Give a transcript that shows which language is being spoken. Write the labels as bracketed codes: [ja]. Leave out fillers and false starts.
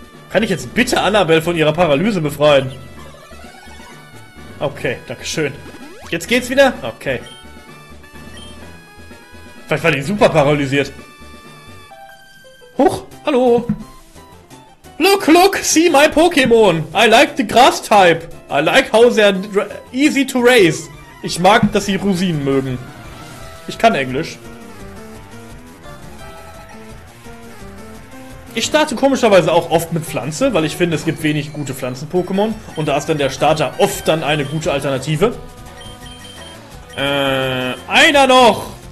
[de] Kann ich jetzt bitte Annabelle von ihrer Paralyse befreien? Okay, danke schön. Jetzt geht's wieder? Okay. Vielleicht war die super paralysiert. Huch, hallo. [en] Look, look, see my Pokémon. I like the grass type. I like how they're easy to raise. [de] Ich mag, dass sie Rosinen mögen. Ich kann Englisch. Ich starte komischerweise auch oft mit Pflanze, weil ich finde, es gibt wenig gute Pflanzen-Pokémon. Und da ist dann der Starter oft dann eine gute Alternative. Einer noch!